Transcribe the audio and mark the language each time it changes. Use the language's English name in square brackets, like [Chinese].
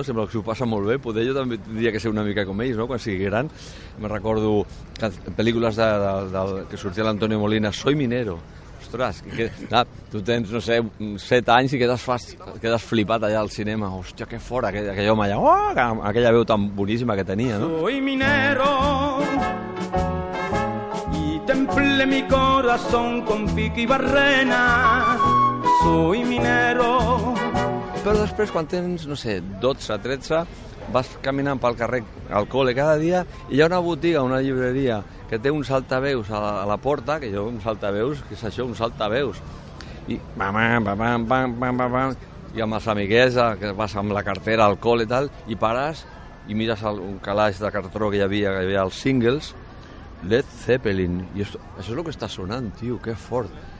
[Catalan] Sembla que s'ho passa molt bé, potser jo també diria que ser una mica com ells, no? Quan sigui gran. Me recordo pel·lícules del que sortia l'Antonio Molina, Soy Minero. Ostres, tu tens, no sé, 7 anys i quedes flipat allà al cinema. Hòstia, que fora, aquell home allà, aquella veu tan boníssima que tenia, no? [Spanish] Soy minero y temple mi corazón con pico y barrena. Soy minero. [Catalan] Però després, quan tens, no sé, 12, 13, vas caminant pel carrer al cole cada dia i hi ha una botiga, una llibreria, que té uns altaveus a la porta, que jo, uns altaveus, què és això, uns altaveus? I bam, bam, bam, bam, bam, bam, bam, i amb els amiguets, que vas amb la cartera al cole i tal, i pares i mires un calaix de cartró que hi havia els singles, Led Zeppelin, i això és el que està sonant, tio, que fort.